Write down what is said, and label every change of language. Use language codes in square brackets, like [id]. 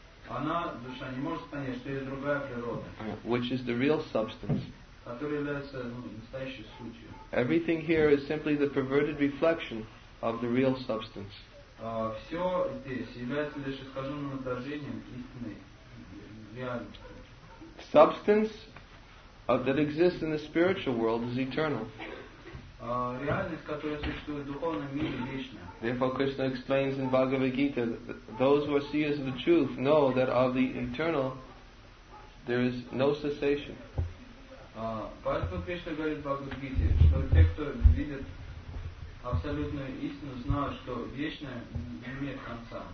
[ru] она, душа, не может понять, что есть другая природа, [en] which is the real substance. [ru] Которая является, ну, настоящей сутью. [en] Everything here is simply the perverted reflection of the real substance. [ru] Все здесь является лишь искаженным отражением истинной реальности. [en] Substance that exists in the spiritual world is eternal. [ru] Реальность, которая существует в духовном мире, вечна. [en] Therefore, Krishna explains in Bhagavad Gita that those who are seers of the truth know that of the eternal there is no cessation. [ru] Поэтому Кришна говорит в Бхагавад Гите, что те, кто видит абсолютную истину, знают, что вечное не имеет конца.